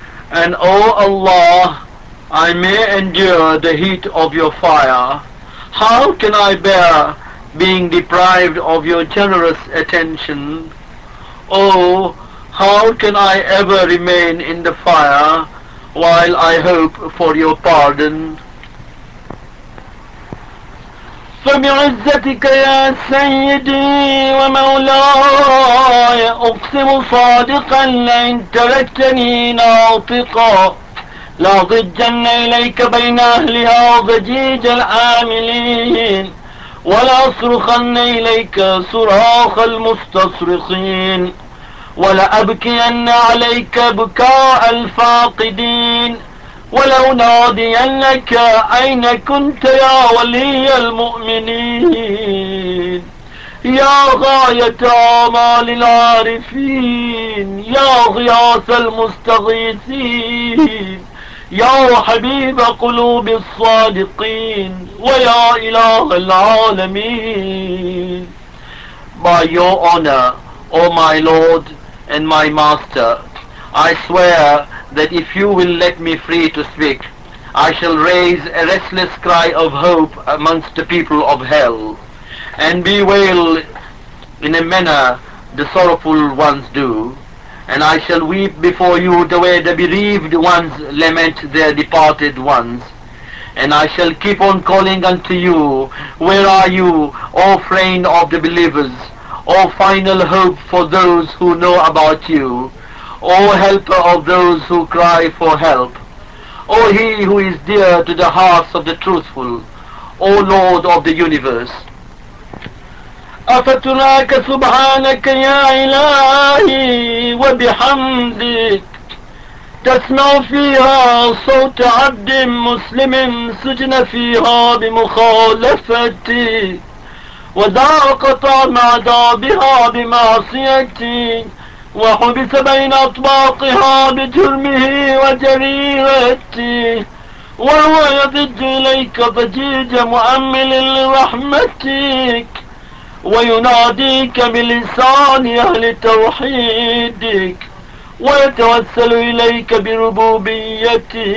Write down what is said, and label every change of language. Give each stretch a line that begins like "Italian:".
English: And O Allah, I may endure the heat of your fire. How can I bear being deprived of your generous attention? O, how can I ever remain in the fire while I hope for your pardon?
Arabic: فبعزتك يا سيدي ومولاي أقسم صادقا لئن تركتني ناطقا لاضجن إليك بين أهلها ضجيج الآملين ولأصرخن إليك صراخ المستصرخين ولأبكين عليك بكاء الفاقدين ولو ناديك أين كنت يا ولي المؤمنين يا غاية أعمال العارفين يا غياث المستغيثين يا حبيب قلوب الصادقين ويا إله العالمين.
English: By your honor, O my Lord and my Master, I swear that if you will let me free to speak, I shall raise a restless cry of hope amongst the people of hell, and bewail in a manner the sorrowful ones do, and I shall weep before you the way the bereaved ones lament their departed ones, and I shall keep on calling unto you, where are you, O friend of the believers, O final hope for those who know about you, O helper of those who cry for help, O he who is dear to the hearts of the truthful, O Lord of the universe.
Arabic: أفتراك سبحانك يا إلهي وبحمدك تسمع فيها صوت عبد مسلم سجن فيها بمخالفتي وذاق طعم عذابها بمعصيتي وحبس بين أطباقها بجرمه وجريرتي وهو يضج إليك ضجيج مؤمل لرحمتك ويناديك بلسان أهل توحيدك ويتوسل إليك بربوبيتك.